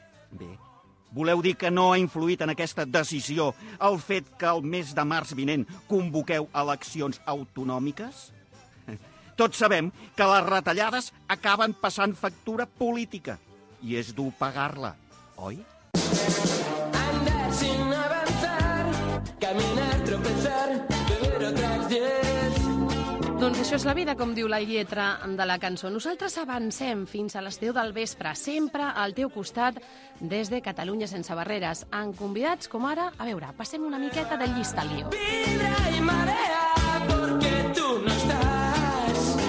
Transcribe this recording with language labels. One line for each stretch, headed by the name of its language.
Catalan: Bé, voleu dir que no ha influït en aquesta decisió el fet que el mes de març vinent convoqueu eleccions autonòmiques? Tots sabem que les retallades acaben passant factura política i és dur pagar-la, oi?
Spanish: Andar sin avanzar, caminar, tropezar, beber otras diez.
Catalan: Doncs això és la vida, com diu la lletra de la cançó. Nosaltres avancem fins a les 10 del vespre, sempre al teu costat, des de Catalunya sense barreres, amb convidats com ara. A veure, passem una miqueta de llista al lío.
Spanish: Vibra y marea, porque tú no estás.